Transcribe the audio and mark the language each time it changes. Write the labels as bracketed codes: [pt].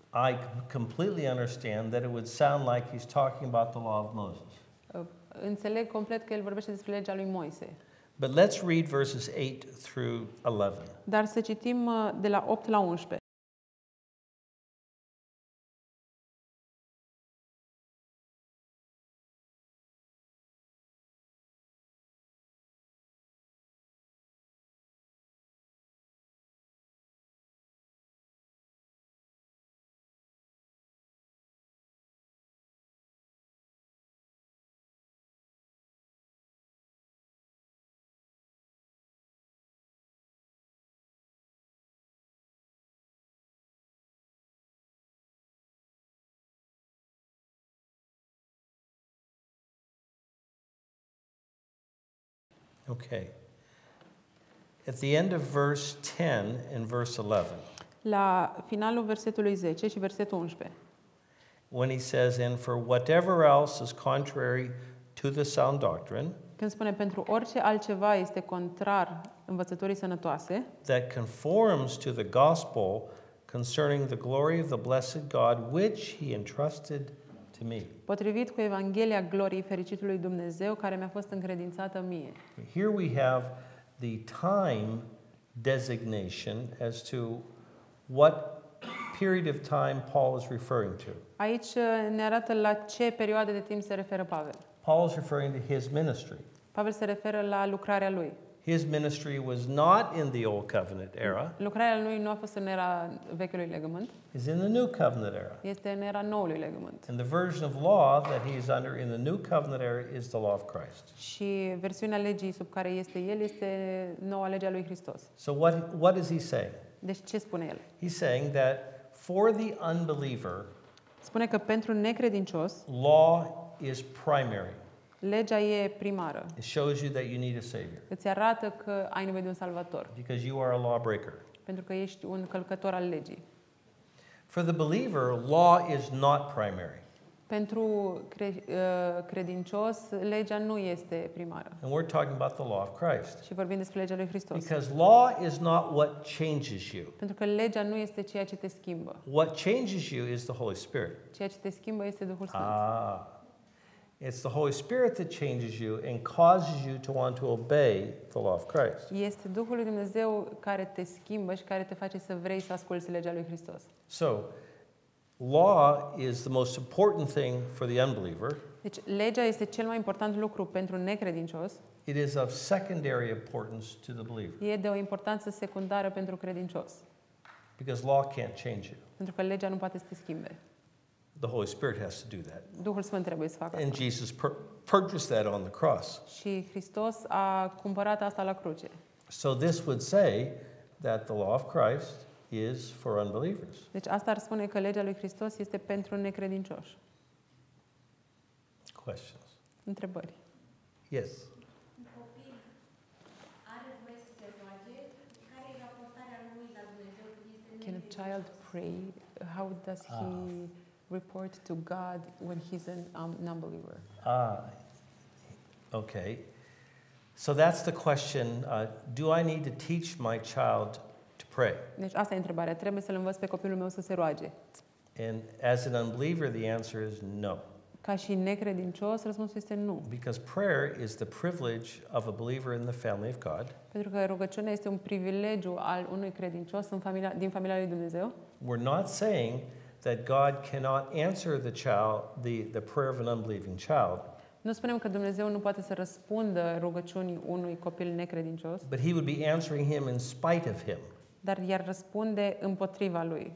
[en] I completely understand that it would sound like he's talking about the law of Moses. [ro] Înțeleg complet că el vorbește despre legea lui Moise. [en] But let's read verses 8 through 11. [ro] Dar să citim de la 8 la 11. [en] Okay. At the end of verse 10 and verse 11. [ro] La finalul versetului 10 și versetul 11. [en] When he says, "And for whatever else is contrary to the sound doctrine," [ro] când spune pentru orice altceva este contrar învățăturii sănătoase, [en] "that conforms to the gospel concerning the glory of the blessed God which he entrusted to me." [ro] Potrivit cu Evanghelia gloriei fericitului Dumnezeu care mi-a fost încredințată mie. [en] Here we have the time designation as to what period of time Paul is referring to. [ro] Aici ne arată la ce perioadă de timp se referă Pavel. [en] Paul is referring to his ministry. [ro] Pavel se referă la lucrarea lui. [en] His ministry was not in the old covenant era. [ro] Lucrarea lui nu a fost în era vechiului legământ. [en] Is in the new covenant era. [ro] Este în era noului legământ. [en] And the version of law that he is under in the new covenant era is the law of Christ. [ro] Și versiunea legii sub care este el este noua lege a lui Hristos. [en] So what does he say? [ro] Deci ce spune el? [en] He's saying that for the unbeliever, [ro] spune că pentru necredincios, [en] law is primary. [ro] Legea e primară. [en] It shows you that you need a savior. [ro] Îți arată că ai nevoie de un salvator. [en] Because you are a lawbreaker. [ro] Pentru că ești un călcător al legii. [en] For the believer, law is not primary. [ro] Pentru credincios, legea nu este primară. [en] And we're talking about the law of Christ. [ro] Și vorbim despre legea lui Hristos. [en] Because law is not what changes you. [ro] Pentru că legea nu este ceea ce te schimbă. [en] What changes you is the Holy Spirit. [ro] Ceea ce te schimbă este Duhul Sfânt. [en] It's the Holy Spirit that changes you and causes you to want to obey the law of Christ. [ro] Este Duhul lui Dumnezeu care te schimbă și care te face să vrei să asculți legea lui Hristos. [en] So, law is the most important thing for the unbeliever. [ro] Deci legea este cel mai important lucru pentru necredincios. [en] It is of secondary importance to the believer. [ro] E de o importanță secundară pentru credincios. [en] Because law can't change you. [ro] Pentru că legea nu poate să te schimbe. [en] The Holy Spirit has to do that. [ro] Duhul Sfânt trebuie să facă asta. [en] And Jesus purchased that on the cross. [ro] Și Hristos a cumpărat asta la cruce. [en] So this would say that the law of Christ is for unbelievers. [ro] Deci asta ar spune că legea lui Hristos este pentru necredincioși. [en] Questions. [ro] Întrebări. [en] Yes. [ro] Un copil are voie să se roage, care e raportarea lui [en] child pray? How does he report to God when he's an non-believer? Okay. So that's the question, do I need to teach my child to pray? [ro] Deci asta e întrebarea, trebuie să-l învăț pe copilul meu să se roage. [en] And as an unbeliever, the answer is no. [ro] Ca și necredincios, răspunsul este nu. [en] Because prayer is the privilege of a believer in the family of God. [ro] Pentru că rugăciunea este un privilegiu al unui credincios în familia, din familia lui Dumnezeu. [en] We're not saying that God cannot answer the child, the prayer of an unbelieving child. [ro] Nu spunem că Dumnezeu nu poate să răspundă rugăciunii unui copil necredincios. [en] But he would be answering him in spite of him. [ro] Dar i-ar răspunde împotriva lui.